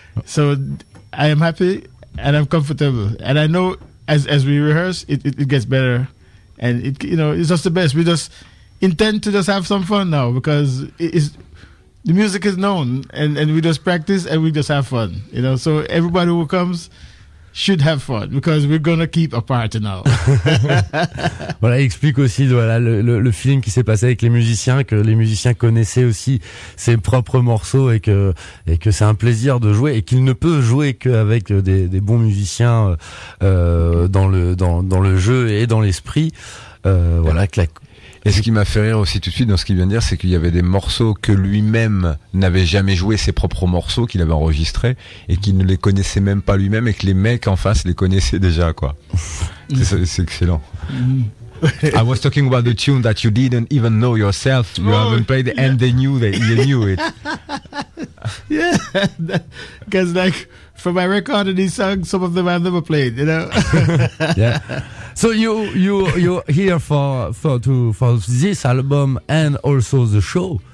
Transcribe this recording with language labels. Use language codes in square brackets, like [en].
[en] So I am happy and I'm comfortable, and I know as we rehearse, it gets better, and it, you know, it's just the best. We just intend to just have some fun now, because the music is known, and we just practice and we just have fun, you know. So everybody who comes. Should have fun because we're gonna keep a party now. [fr] Voilà, il explique aussi voilà le feeling qui s'est passé avec les musiciens, que les musiciens connaissaient aussi ses propres morceaux et que c'est un plaisir de jouer et qu'il ne peut jouer qu'avec des bons musiciens dans le jeu et dans l'esprit. voilà, que la... Et ce qui m'a fait rire aussi tout de suite dans ce qu'il vient de dire, c'est qu'il y avait des morceaux que lui-même n'avait jamais joué, ses propres morceaux qu'il avait enregistrés, et qu'il ne les connaissait même pas lui-même, et que les mecs en face les connaissaient déjà, quoi. C'est excellent. [en] I was talking about the tune that you didn't even know yourself. You haven't played it, yeah. And they knew that you knew it. Yeah, because like for my record and his song, some of them I've never played, you know. Yeah. So you're here for this album and also the show.